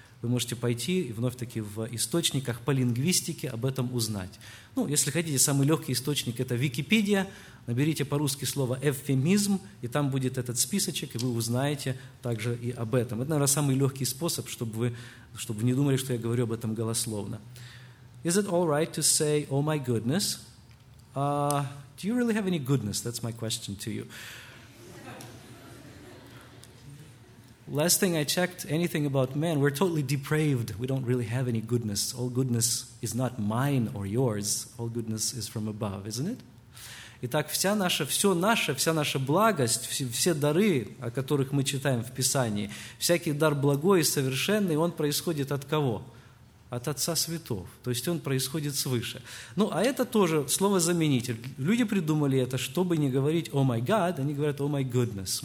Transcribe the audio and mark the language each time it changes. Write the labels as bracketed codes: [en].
[ru] Вы можете пойти и вновь-таки в источниках по лингвистике об этом узнать. Ну, если хотите, самый легкий источник – это Википедия. Наберите по-русски слово «эвфемизм», и там будет этот списочек, и вы узнаете также и об этом. Это, наверное, самый легкий способ, чтобы вы не думали, что я говорю об этом голословно. [en] Is it all right to say, oh my goodness? Do you really have any goodness? That's my question to you. Last thing I checked, anything about man, we're totally depraved. We don't really have any goodness. All goodness is not mine or yours. All goodness is from above, isn't it? [ru] Итак, вся наша благость, все дары, о которых мы читаем в Писании, всякий дар благой и совершенный, он происходит от кого? От Отца Святого. То есть он происходит свыше. Ну, а это тоже слово-заменитель. Люди придумали это, чтобы не говорить [en] «oh my God», [ru] они говорят [en] «oh my goodness».